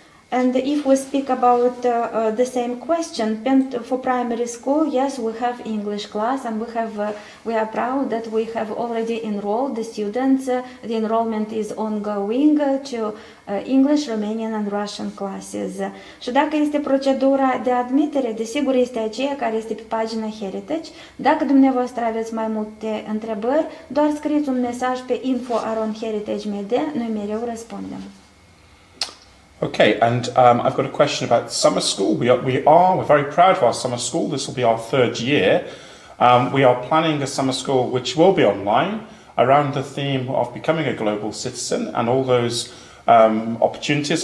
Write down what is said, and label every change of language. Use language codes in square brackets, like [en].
[en] And if we speak about the same question, for primary school, yes, we have English class, and we are proud that we have already enrolled the students. The enrollment is ongoing to English, Romanian and Russian classes. [ro] Și dacă este procedura de admitere, desigur este aceea care este pe pagina Heritage. Dacă dumneavoastră aveți mai multe întrebări, doar scrieți un mesaj pe info@heritage.md, noi mereu răspundem. [en] Okay, and I've got a question about summer school. We're very proud of our summer school. This will be our third year. We are planning a summer school which will be online around the theme of becoming a global citizen and all those opportunities.